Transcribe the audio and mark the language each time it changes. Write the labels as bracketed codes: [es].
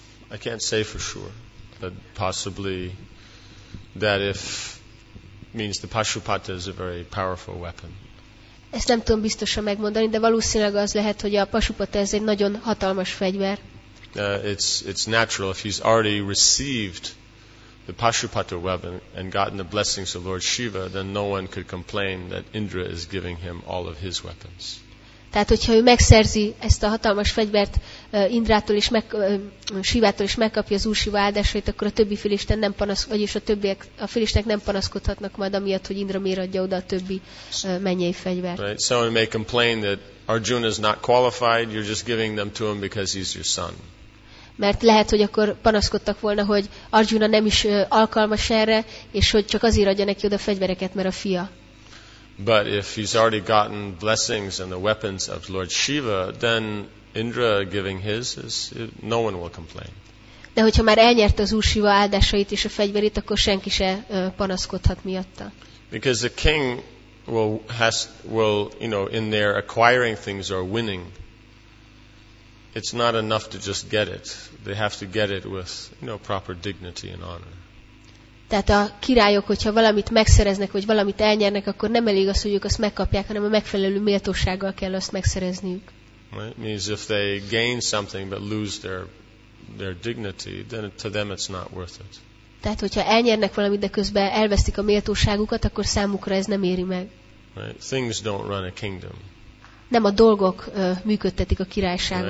[en] I can't say for sure, but possibly that if means the Pashupata is a very powerful weapon. [hu] Ezt nem tudom biztosan megmondani, de valószínűleg az lehet, hogy a Pashupata ez egy nagyon hatalmas fegyver. [en] It's natural if he's already received the Pashupata weapon and gotten the blessings of Lord Shiva, then no one could complain that Indra is giving him all of his weapons. [hu] Tehát, hogyha ő megszerzi ezt a hatalmas fegyvert Indrától és Sivától is megkapja az Úrsiva áldásait, akkor a többi félisten nem panaszkodhat, vagyis a többiek, a félistenek nem panaszkodhatnak majd amiatt, hogy Indra miért adja oda a többi mennyei fegyvert. [en] Right. Someone may complain that Arjuna is not qualified, you're just giving them to him because he's your son. [hu] Mert lehet, hogy akkor panaszkodtak volna, hogy Arjuna nem is alkalmas erre, és hogy csak azért adja neki oda fegyvereket, mert a fia. [en] But if he's already gotten blessings and the weapons of Lord Shiva, then Indra giving his is no one will complain. [hu] De hogyha már elnyerte az Úr Shiva áldásait és a fegyverét, akkor senki se panaszkodhat miatta. [en] Because the king will in their acquiring things or winning, it's not enough to just get it. They have to get it with, you know, proper dignity and honor. [hu] Tehát a királyok, hogyha valamit megszereznek, vagy valamit elnyernek, akkor nem elég az, hogy ők azt megkapják, hanem a megfelelő méltósággal kell azt megszerezniük. [en] Right? It means if they gain something but lose their dignity, then to them it's not worth it. [hu] Tehát, hogyha elnyernek valamit, de közben elvesztik a méltóságukat, akkor számukra ez nem éri meg. [en] Right? Things don't run a kingdom. [hu] Nem a dolgok működtetik a királyságot.